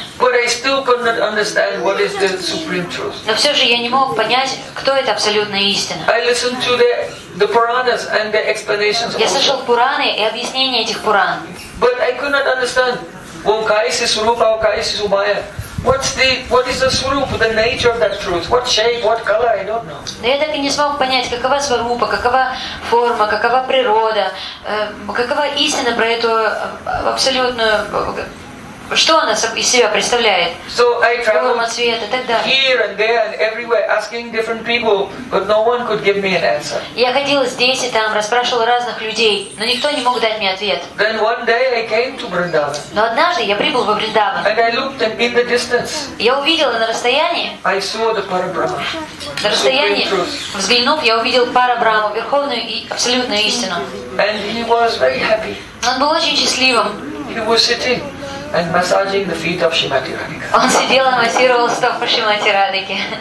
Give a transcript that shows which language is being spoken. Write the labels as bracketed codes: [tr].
[en] But I still could not understand what is the supreme truth. [ru] Но все же я не мог понять, кто это абсолютная истина. [en] I listened to the Puranas and the explanations. [ru] Я слышал Пураны и объяснения этих Пуран. [en] But I could not understand. [bra] Okaisi Surupa, Okaisi Subaya. [en] What is the surup, the nature of that truth? What shape, what color? I don't know. [ru] Но я так и не смог понять, какова сварупа, какова форма, какова природа, какова истина про эту абсолютную, что она из себя представляет? [en] So I traveled here and there and everywhere, asking different people, but no one could give me an answer. [ru] Я ходил здесь и там, расспрашивал разных людей, но никто не мог дать мне ответ. [en] Then one day I came to Vrindavan. [ru] Но однажды я прибыл во Вриндаван. [en] And I looked in the distance. [ru] Я увидел на расстоянии. [en] I saw the Парабрахму. [ru] На расстоянии, взглянув, я увидел Парабрахму, верховную и абсолютную истину. [en] And he was very happy. [ru] Он был очень счастливым. [en] He was sitting and massaging the feet of Shrimati Radhika. [ru] Он сидел и массировал стопы Шримати Радхики.